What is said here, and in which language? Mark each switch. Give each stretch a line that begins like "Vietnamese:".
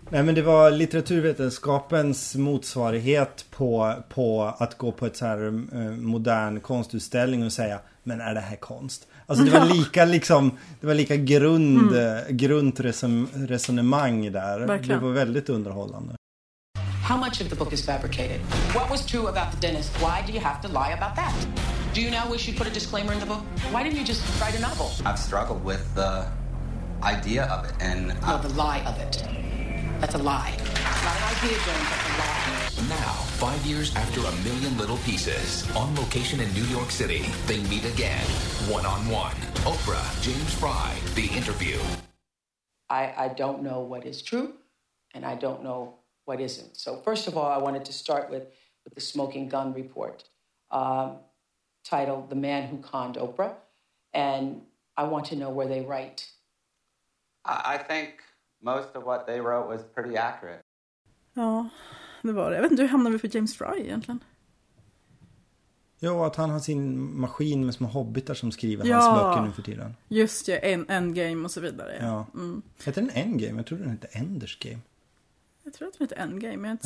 Swedish: Nej, men det var litteraturvetenskapens motsvarighet på att gå på ett så här modern konstutställning och säga, men är det här konst? Alltså det var lika liksom, det var lika grundresonemang där. Verkligen. Det var väldigt underhållande.
English: How much of the book is fabricated? What was true about the dentist? Why do you have to lie about that? Do you now wish you put a disclaimer in the book? Why didn't you just write a novel? I've struggled with the idea of it and the lie of it. That's a lie. Not an idea, Jones, that's a lie. Now, 5 years after A Million Little Pieces, on location in New York City, they meet again, one-on-one. Oprah, James Fry, The Interview. I don't know what is true, and I don't know what isn't. So first of all, I wanted to start with the smoking gun report, titled The Man Who Conned Oprah, and I want to know where they write. I think most of what they wrote was pretty accurate.
Swedish: Oh. Det var det. Jag vet inte, hur hamnar vi för James Fry egentligen? Ja, att han har sin maskin med små hobbitar som skriver hans böcker nu för tiden. Just det, Endgame och så vidare. Ja. Mm. Heter den Endgame? Jag tror den heter Ender's Game. Jag tror att den heter Endgame, jag är inte